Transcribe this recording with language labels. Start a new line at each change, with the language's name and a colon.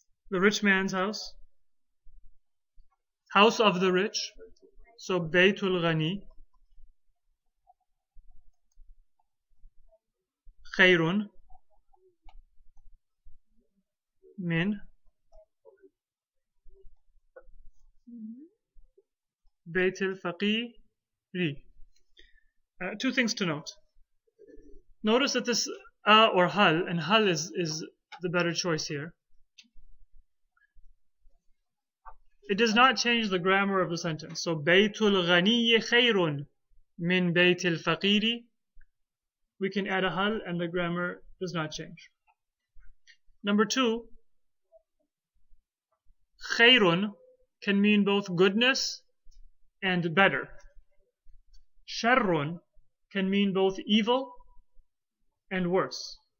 English: The rich man's house, house of the rich, so
Arabic: baytul ghani, khayrun min بيت الفقير.
English: Two things to note. Notice that this or hal, and hal is the better choice here. It does not change the grammar of the sentence.
Arabic: So بيت الغني خير من بيت الفقير.
English: We can add a hal and the grammar does not change. Number two, خير can mean both goodness and better. Sharrun can mean both evil and worse.